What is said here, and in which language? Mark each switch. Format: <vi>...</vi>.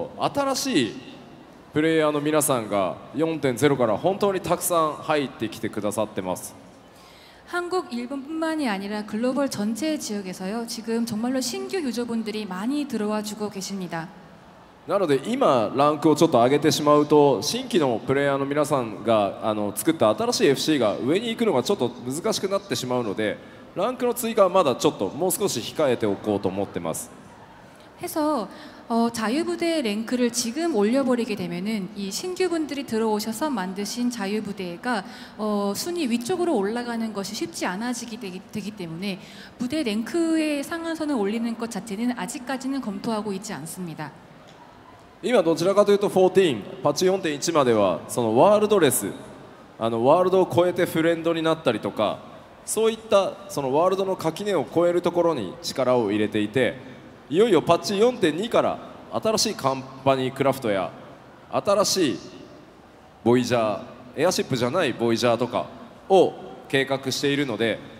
<ja>今グローバル全体でもそうですし韓国も中国もそうなんですけど新しいプレイヤーの皆さんが 4.0から本当にたくさん入ってきてくださってます.</ja> <ko>한국, 일본뿐만이 아니라 글로벌 전체 지역에서요 지금 정말로 신규 유저분들이 많이 들어와 주고 계십니다.</ko> <ja>なので今ランクをちょっと上げてしまうと新規のプレイヤーの皆さんが作った新しい FC が上に行くのがちょっと難しくなってしまうので ランクの追加はまだちょっともう少し控えておこうと思ってます.</ja> <ko>해서 자유부대 랭크를 지금 올려버리게 되면은 이 신규분들이 들어오셔서 만드신 자유부대가 순위 위쪽으로 올라가는 것이 쉽지 않아지기 되기 때문에 부대 랭크의 상한선을 올리는 것 자체는 아직까지는 검토하고 있지 않습니다.</ko> <ja>今どちらかというと 14 파츠 4.1 まではそのワールドレス、ワールドを超えてフレンドになったりとか そういったそのワールドの垣根を超えるところに力を入れていて、いよいよパッチ4.2から新しいカンパニークラフトや新しいボイジャー、エアシップじゃないボイジャーとかを計画しているので、</ja>